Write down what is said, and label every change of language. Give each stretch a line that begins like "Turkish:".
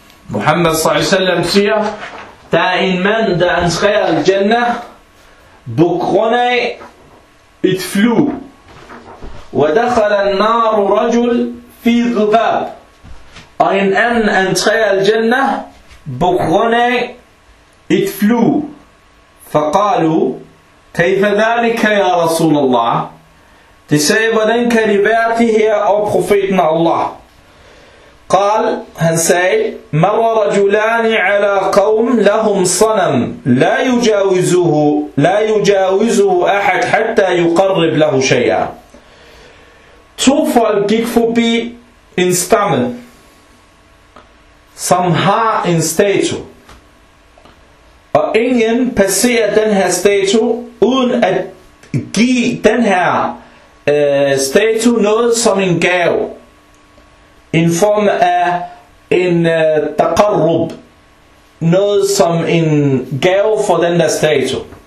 Danish: محمد
Arabic: صلى الله عليه وسلم
Danish: siger, der er en mand, der entrerer al-jannah på grund af et flu.
Arabic: ودخل النار رجل في ذباب.
Danish: Og en anden entrerer al-jannah på grund af et flu.
Arabic: فقالوا كيف ذلك يا رسول الله.
Danish: Det sagde, hvordan kan det være det her, og profeten af Allah?
Arabic: قال,
Danish: han sagde,
Arabic: مر رجلان على قوم لهم صنم لا يجاوزه أحد حتى يقرب له شيئا.
Danish: To folk gik forbi en stamme, som har en statue. Og ingen passerer den her statue, uden at give den her statue noget som en gave, en form af en taqarrub, noget som en gave for den der statue.